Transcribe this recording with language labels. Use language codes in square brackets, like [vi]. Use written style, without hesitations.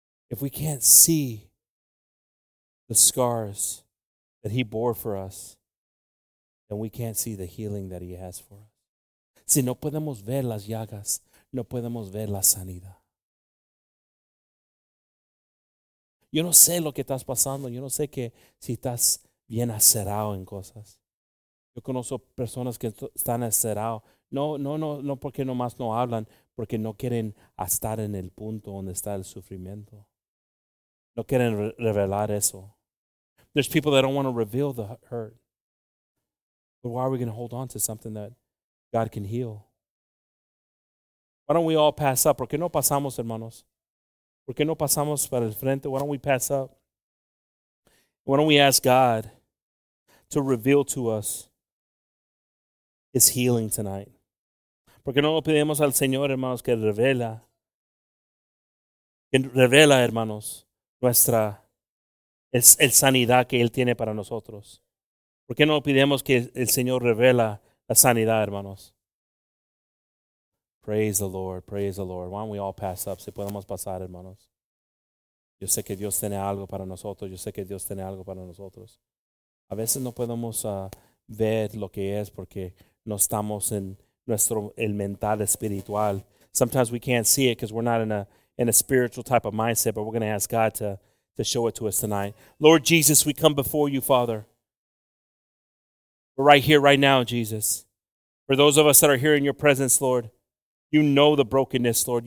[en] If we can't see the scars that He bore for us, then we can't see the healing that He has for us. [es] Si no podemos ver las llagas, no podemos ver la sanidad. Yo no sé lo que estás pasando. Yo no sé que si estás bien acerado en cosas. Yo conozco personas que están acerados. No, porque nomás no hablan, porque no quieren estar en el punto donde está el sufrimiento. No quieren revelar eso. [en] There's people that don't want to reveal the hurt. But why are we going to hold on to something that God can heal? Why don't we all pass up? [es] ¿Por qué no pasamos, hermanos? ¿Por qué no pasamos para el frente? [en] Why don't we pass up? Why don't we ask God to reveal to us His healing tonight? [es] ¿Por qué no lo pedimos al Señor, hermanos, que revela? Que revela, hermanos, nuestra el sanidad que Él tiene para nosotros. ¿Por qué no pidemos que el Señor revela la sanidad, hermanos? [en] Praise the Lord, praise the Lord. Why don't we all pass up? [es] Si podemos pasar, hermanos. Yo sé que Dios tiene algo para nosotros. Yo sé que Dios tiene algo para nosotros. A veces no podemos ver lo que es porque no estamos en nuestro el mental espiritual. [en] Sometimes we can't see it because we're not in a spiritual type of mindset, but we're going to ask God to show it to us tonight. Lord Jesus, we come before you, Father. We're right here, right now, Jesus. For those of us that are here in your presence, Lord, you know the brokenness, Lord.